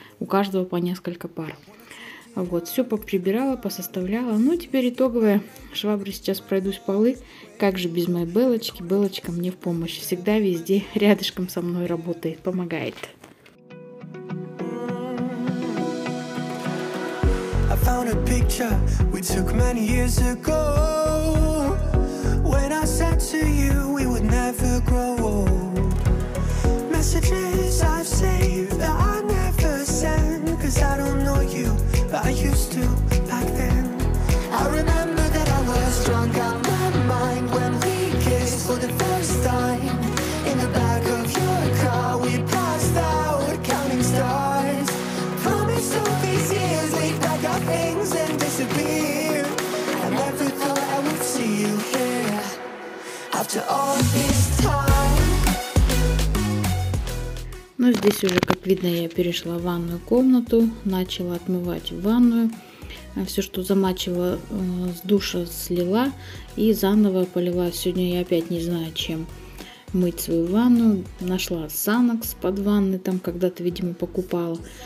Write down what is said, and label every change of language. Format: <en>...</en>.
<ru>У каждого по несколько пар. Вот, все поприбирала, посоставляла. Ну, теперь итоговая. Швабры сейчас пройдусь полы. Как же без моей Белочки? Белочка мне в помощь. Всегда везде рядышком со мной работает, помогает.</ru> <en>Found a picture we took many years ago. When I said to you we would never grow old. Messages I've saved that I never send, 'cause I don't know you, but I used to back then. I remember that I was drunk out my mind when we kissed for the first time. In the back of your car we passed out counting stars. Promise to be serious, we pack our things and disappear. I never thought I would see you here after all this time.</en> <ru>Ну, здесь уже, как видно, я перешла в ванную комнату, начала отмывать ванную. Все, что замачивала с душа, слила и заново полила. Сегодня я опять не знаю, чем мыть свою ванную. Нашла Санокс под ванной, там когда-то, видимо, покупала.</ru>